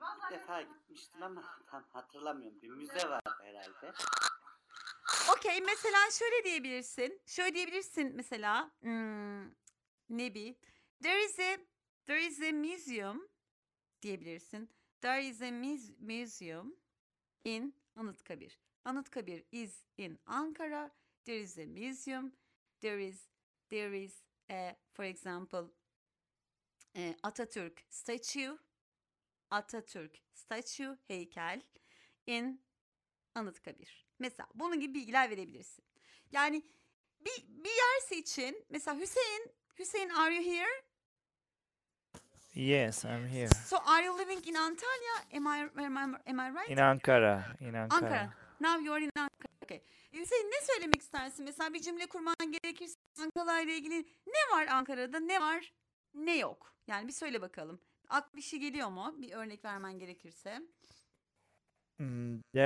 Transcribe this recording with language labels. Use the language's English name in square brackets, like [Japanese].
[Turkish] Bir defa gitmiştim ama tam hatırlamıyorum. Bir müze var herhalde. Okey, mesela şöyle diyebilirsin mesela Nebi. [English] There is a museum [Turkish] diyebilirsin. [English] There is a museum in Anıtkabir. Anıtkabir is in Ankara. There is a museum. There is for example Atatürk statue. Atatürk statue, [Turkish] heykel [English] in Anıtkabir. [Turkish] Mesela bunun gibi bilgiler verebilirsin. Yani bir yer seçin. Mesela [English] Hüseyin, are you here? Yes, I'm here. So are you living in Antalya? Am I In right? Ankara, in Ankara. Ankara. Now you are in Ankara. Okay. [Turkish] Hüseyin, ne söylemek istersin? Mesela bir cümle kurman gerekirse Ankara ile ilgili ne var Ankara'da? Ne var? Ne yok? Yani bir söyle bakalım. Aklı bir şey geliyor mu? Bir örnek vermen gerekirse. [English] There